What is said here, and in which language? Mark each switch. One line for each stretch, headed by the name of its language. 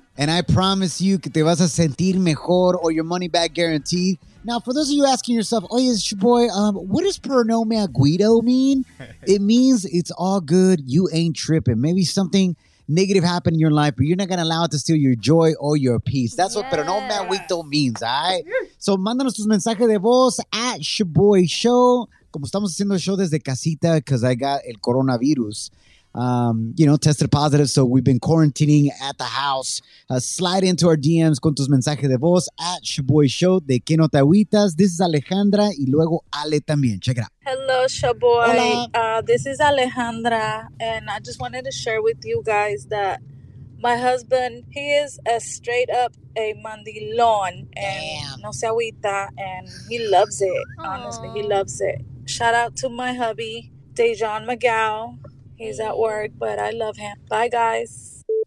English: And I promise you
Spanish: que te vas a sentir mejor
English: or your money back guaranteed. Now, for those of you asking yourself,
Spanish: oye,
English: it's your boy, what does Pero No Me Agüito mean? It means it's all good. You ain't tripping. Maybe something negative happened in your life, but you're not going to allow it to steal your joy or your peace. That's what Pero No Me Agüito means, all right?
Spanish: So, mándanos tus mensajes de voz at Shaboy Show. Como estamos haciendo el show desde casita
English: because I got
Spanish: el coronavirus,
English: you know, tested positive. So, we've been quarantining at the house. Slide into our DMs
Spanish: con tus mensajes de voz
English: at Shaboy Show.
Spanish: De que no te agüitas.
English: This is Alejandra
Spanish: y luego Ale también.
English: Check it out. Hello, Shaboy.
Spanish: Hola.
English: This is Alejandra. And I just wanted to share with you guys that my husband, he is a straight up a mandilón. Damn. And
Spanish: no se agüita.
English: And he loves it. Aww. Honestly, he loves it. Shout out to my hubby, Dejon McGow. He's at work, but I love him. Bye, guys.